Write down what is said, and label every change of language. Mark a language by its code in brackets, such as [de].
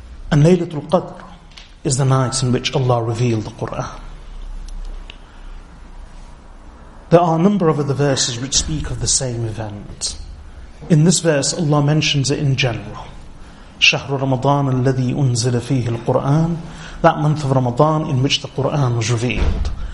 [en] And Laylatul Qadr is the night in which Allah revealed the Qur'an. There are a number of other verses which speak of the same event. In this verse, Allah mentions it in general. [ar] شهر رمضان الذي أنزل فيه القرآن. [en] That month of Ramadan in which the Qur'an was revealed.